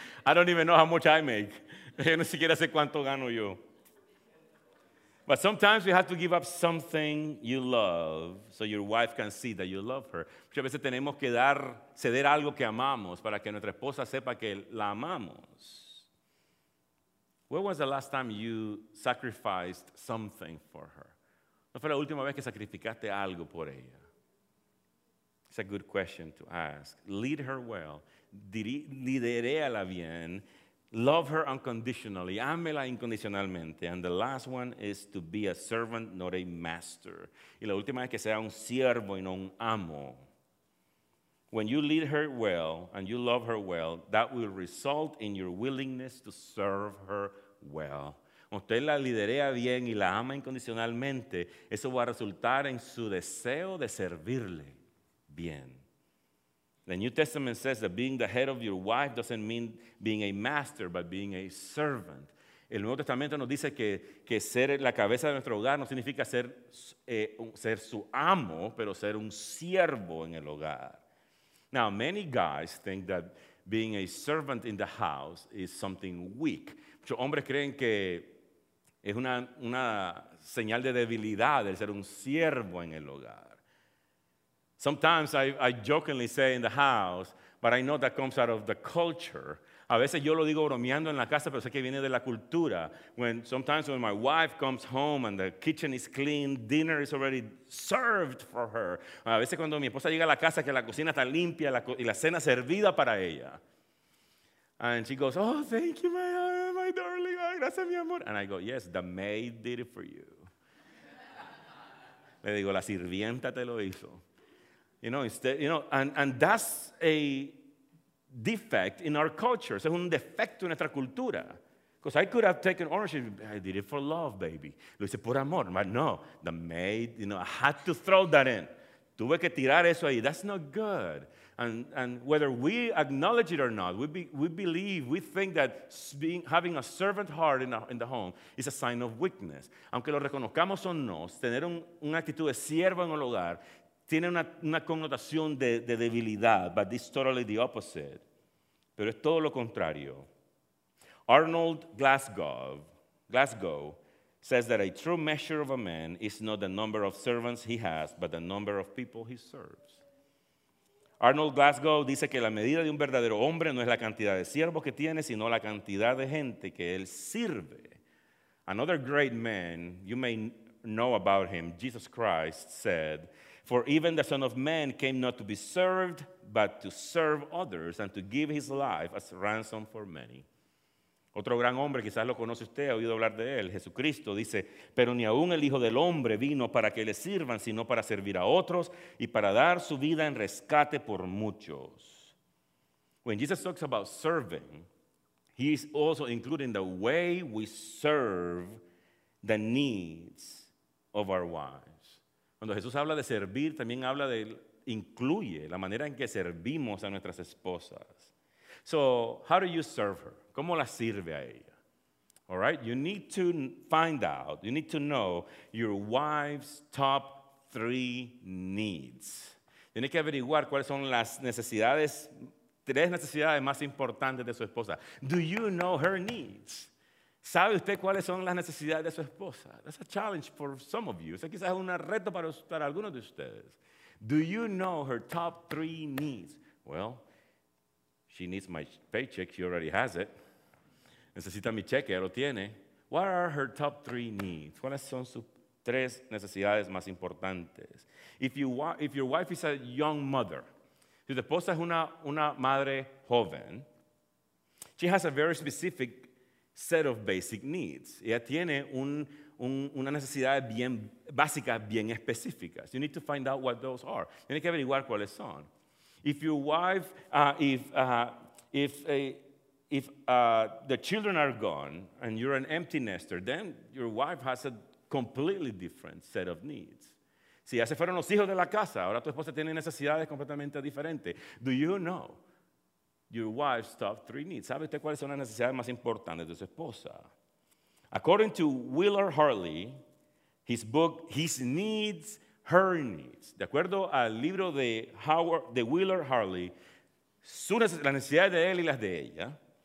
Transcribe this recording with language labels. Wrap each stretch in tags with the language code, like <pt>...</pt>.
<en>I don't even know how much I make.</en> <es>Yo ni siquiera sé cuánto gano yo.</es> <en>But sometimes you have to give up something you love so your wife can see that you love her.</en> <es>Muchas veces tenemos que ceder algo que amamos para que nuestra esposa sepa que la amamos.</es> <en>When was the last time you sacrificed something for her?</en> <es>¿No fue la última vez que sacrificaste algo por ella?</es> <en>It's a good question to ask. Lead her well.</en> <es>Lidéala bien.</es> <en>Love her unconditionally.</en> <es>Ámela incondicionalmente.</es> <en>And the last one is to be a servant, not a master.</en> <es>Y la última es que sea un siervo y no un amo.</es> <en>When you lead her well and you love her well, that will result in your willingness to serve her well.</en> <es>Usted la liderea bien y la ama incondicionalmente, eso va a resultar en su deseo de servirle. Bien.</es> <en>The New Testament says that being the head of your wife doesn't mean being a master, but being a servant.</en> <es>El Nuevo Testamento nos dice que ser la cabeza de nuestro hogar no significa ser su amo, pero ser un siervo en el hogar.</es> <en>Now, many guys think that being a servant in the house is something weak.</en> <es>Muchos hombres creen que es una señal de debilidad el ser un siervo en el hogar.</es> <en>Sometimes I jokingly say in the house, but I know that comes out of the culture.</en> <es>A veces yo lo digo bromeando en la casa, pero sé que viene de la cultura.</es> <en>Sometimes when my wife comes home and the kitchen is clean, dinner is already served for her.</en> <es>A veces cuando mi esposa llega a la casa, que la cocina está limpia y la cena servida para ella.</es> <en>And she goes, oh, thank you, my darling.</en> <es>Oh, gracias, mi amor.</es> <en>And I go, yes, the maid did it for you.</en> <es>Le digo, la sirvienta te lo hizo.</es> <en>You know, and that's a defect in our culture.</en> <es>Es un defecto en nuestra cultura.</es> <en>Because I could have taken ownership. I did it for love, baby.</en> <es>Lo hice por amor.</es> <en>But no, the maid, you know, I had to throw that in.</en> <es>Tuve que tirar eso ahí.</es> <en>That's not good. And whether we acknowledge it or not, we think that having a servant heart in the home is a sign of weakness.</en> <es>Aunque lo reconozcamos o no, tener una actitud de siervo en el hogar tiene una connotación de debilidad,</es> <en>but it's totally the opposite.</en> <es>Pero es todo lo contrario.</es> <en>Arnold Glasgow says that a true measure of a man is not the number of servants he has, but the number of people he serves.</en> <es>Arnold Glasgow dice que la medida de un verdadero hombre no es la cantidad de siervos que tiene, sino la cantidad de gente que él sirve.</es> <en>Another great man, you may know about him, Jesus Christ said, "For even the Son of Man came not to be served, but to serve others and to give his life as ransom for many."</en> <es>Otro gran hombre, quizás lo conoce usted, ha oído hablar de él, Jesucristo, dice, pero ni aún el Hijo del Hombre vino para que le sirvan, sino para servir a otros y para dar su vida en rescate por muchos.</es> <en>When Jesus talks about serving, he is also including the way we serve the needs of our wives.</en> <es>Cuando Jesús habla de servir, también habla de, incluye la manera en que servimos a nuestras esposas.</es> <en>So, how do you serve her?</en> <es>¿Cómo la sirve a ella?</es> <en>All right? You need to find out, you need to know your wife's top three needs.</en> <es>Tienes que averiguar cuáles son las necesidades, tres necesidades más importantes de su esposa.</es> <en>Do you know her needs?</en> <es>¿Sabe usted cuáles son las necesidades de su esposa?</es> <en>That's a challenge for some of you.</en> <es>Eso quizás es un reto para algunos de ustedes.</es> <en>Do you know her top three needs? Well, she needs my paycheck. She already has it.</en> <es>Necesita mi cheque, ya lo tiene.</es> <en>What are her top three needs?</en> <es>¿Cuáles son sus tres necesidades más importantes?</es> <en>If your wife is a young mother,</en> <es>si tu esposa es una madre joven,</es> <en>she has a very specific set of basic needs.</en> <es>Ella tiene una necesidad bien básica, bien específica.</es> <en>You need to find out what those are.</en> <es>Tiene que averiguar cuáles son.</es> <en>If your wife, the children are gone and you're an empty nester, then your wife has a completely different set of needs.</en> <es>Si ya se fueron los hijos de la casa, ahora tu esposa tiene necesidades completamente diferentes.</es> <en>Do you know your wife's top three needs?</en> <es>¿Sabe usted cuáles son las necesidades más importantes de su esposa?</es> <en>According to Willard Hartley, his book, His Needs, Her Needs.</en> <es>De acuerdo al libro de Willard Hartley, las necesidades de él y las de ella.</es>